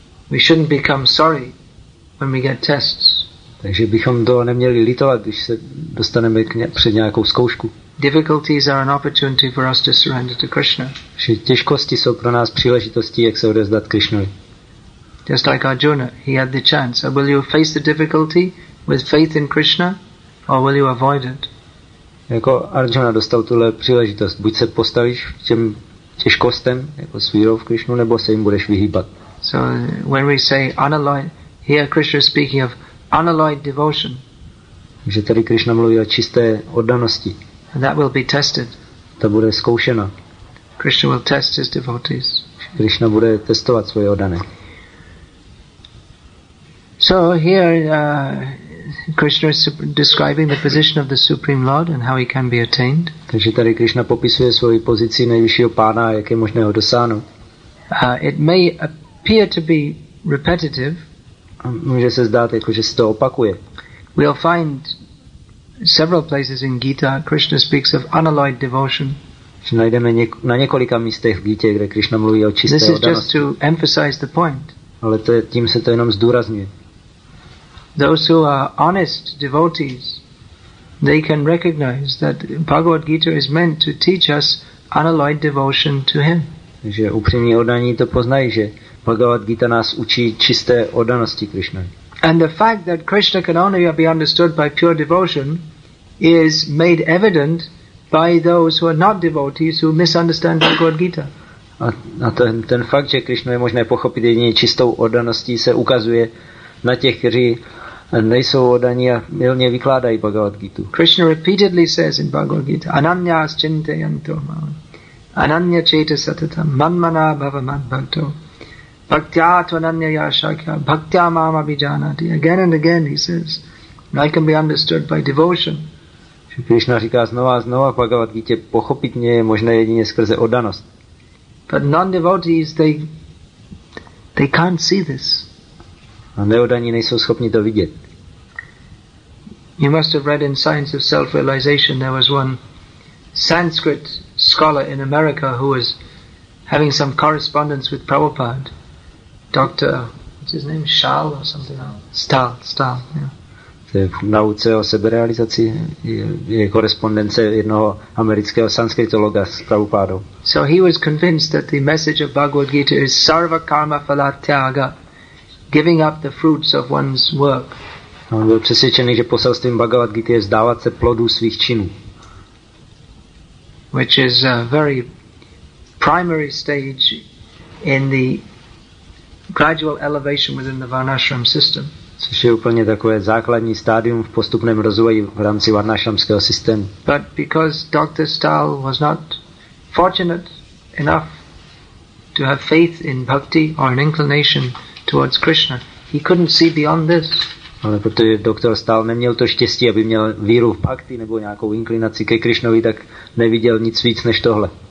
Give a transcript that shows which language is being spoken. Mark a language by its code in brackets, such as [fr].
[en] We shouldn't become sorry when we get tests. [cs] Takže bychom to neměli litovat, když se dostaneme před nějakou zkoušku. [en] Difficulties are an opportunity for us to surrender to Krishna. [cs] Těžkosti jsou pro nás příležitostí, jak se odevzdat Krishnovi. [en] Just like Arjuna, he had the chance. So will you face the difficulty with faith in Krishna, or will you avoid it? [cs] Jako Arjuna dostal tuhle příležitost. Buď se postavíš těm těžkostem, jako s vírou v Krishnu, nebo se jim budeš vyhýbat. [en] So when we say unalloyed, here Krishna is speaking of unalloyed devotion. [cs] Takže tady Krishna mluví o čisté oddanosti. [en] And that will be tested. [cs] To bude zkoušeno. [en] Krishna will test his devotees. [cs] Krishna bude testovat svoje oddané. [en] So here Krishna is describing the position of the Supreme Lord and how he can be attained. [cs] Takže tady Krishna popisuje svoji pozici nejvyššího pána a jak je možné ho dosáhnout. [en] It may appear to be repetitive. [cs] Může se zdát, jako že se to opakuje. [en] We'll find several places in Gita Krishna speaks of unalloyed devotion. [cs] Najdeme na několika místech v Gítě, kde Krishna mluví o čisté oddanosti. [en] This is just to emphasize the point. [cs] Ale to je, tím se to jenom zdůrazňuje. [en] Those who are honest devotees, they can recognize that Bhagavad Gita is meant to teach us unalloyed devotion to him. [cs] Že upřímní oddaní to poznají, že Bhagavad Gita nás učí čisté oddanosti Krishna. [en] And the fact that Krishna can only be understood by pure devotion is made evident by those who are not devotees who misunderstand Bhagavad Gita. [cs] A ten fakt, že Krishna je možné pochopit jedině čistou oddaností, se ukazuje na těch, kteří nejsou oddaní a mylně vykládají Bhagavad Gitu. [en] Krishna repeatedly says in Bhagavad Gita, [sa] ananya chintayanto mam, ananya cheta satatam, manmana bhava manbhakto. Bhaktya tvananya yashakya, bhaktya mama bijanati. [en] Again and again he says, I can be understood by devotion. [cs] Krishna říká znova a znova, Bhagavad Gita pochopit mě je možné jedině skrze oddanost. [en] But non-devotees, they can't see this. [cs] A neoddaní nejsou schopni to vidět. [en] You must have read in Science of Self-Realization, there was one Sanskrit scholar in America who was having some correspondence with Prabhupada. Doctor, what's his name? Shal or something else? Stal, yeah. [cs] To je v nauce o seberealizaci je korespondence jednoho amerického sanskritologa s Prabhupádou. [en] So he was convinced that the message of Bhagavad Gita is [sa] sarva karma phala tyaga, [en] giving up the fruits of one's work. [cs] On byl přesvědčený, že poselstvím Bhagavad Gita je vzdávat se plodů svých činů. [en] Which is a very primary stage in the gradual elevation within the varnashram system. [cs] Což je úplně takové základní stádium v postupném rozvoji v rámci varnashramského systému. [en] But because Dr. Stahl was not fortunate enough to have faith in bhakti or an inclination towards Krishna, he couldn't see beyond this. [cs] Ale protože Dr. Stahl neměl to štěstí, aby měl víru v bhakti nebo nějakou inklinaci ke Krishnovi, tak neviděl nic víc než tohle.